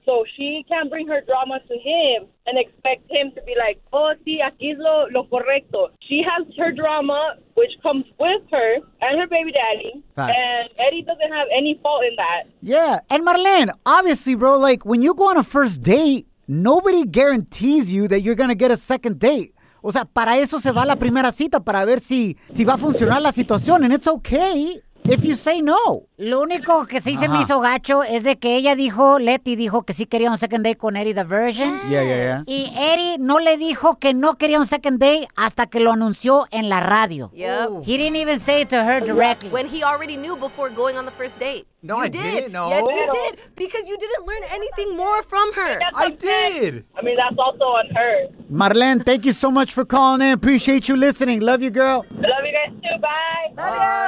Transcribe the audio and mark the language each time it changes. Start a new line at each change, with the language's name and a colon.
English: So she can't bring her drama to him and expect him to be like, oh,
Spanish: sí, aquí es lo correcto.
English: She has her drama, which comes with her and her baby daddy. Facts. And Eddie doesn't have any fault in that. Yeah. And Marlene, obviously, bro, like when you go on a first date, nobody guarantees you that you're going to get a second date.
Spanish: O sea, para eso se va la primera cita, para ver si va a funcionar la situación.
English: And it's okay if you say no.
Spanish: Lo único que sí se me hizo gacho es de que ella dijo, Letty dijo que sí quería un second date con Eddie the Virgin.
English: Yeah, yeah, yeah.
Spanish: Y Eddie no le dijo que no quería un second date hasta que lo anunció en la radio.
English: Yep. He didn't even say it to her directly. When he already knew before going on the first date. No, you I did. Didn't, no. Yes, you did. Because you didn't learn anything more from her. I did. I mean, that's also on her. Marlene, thank you so much for calling in. Appreciate you listening. Love you, girl. Love you guys too. Bye.